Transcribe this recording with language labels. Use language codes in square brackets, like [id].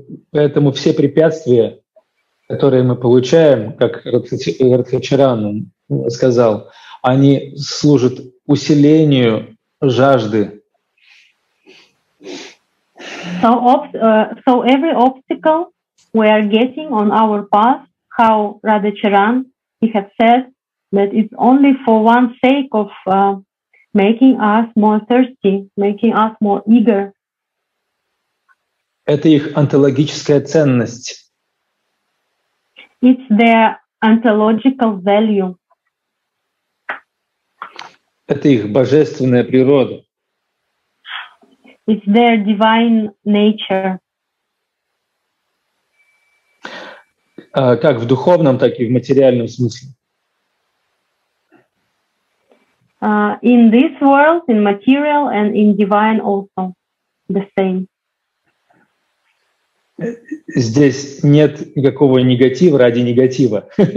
[ru] Поэтому все препятствия, которые мы получаем, как Радхачарана сказал, они служат усилению жажды. [en] So, so every obstacle we are getting on our path, how Radhacharan he had said that it's only for one sake of making us more thirsty, making us more eager. [ru] Это их онтологическая ценность. [en] It's their ontological value. [ru] Это их божественная природа. [en] It's their divine nature. [ru] Как в духовном, так и в материальном смысле. [en] In this world, in material and in divine also, the same. [ru] Здесь нет никакого негатива ради негатива.